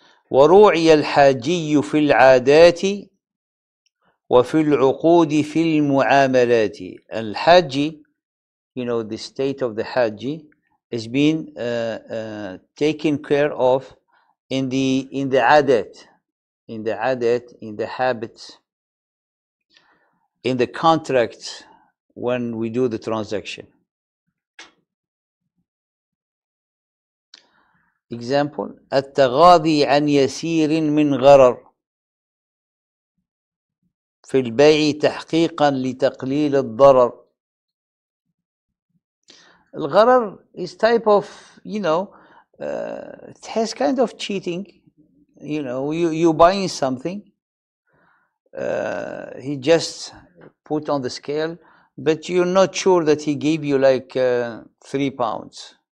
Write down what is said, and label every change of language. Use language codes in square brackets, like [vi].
[ar] وروعي الحاجي في العادات وفي العقود في المعاملات. [en] الحاجي, you know, the state of the haji is being taken care of in the habits, in the contracts when we do the transaction. [ar] Example, التغاضي عن يسير من غرر في البيع تحقيقا لتقليل الضرر. [en] الغرر is type of, you know, it has kind of cheating. You know, you buying something, he just put on the scale, but you're not sure that he gave you like 3 pounds.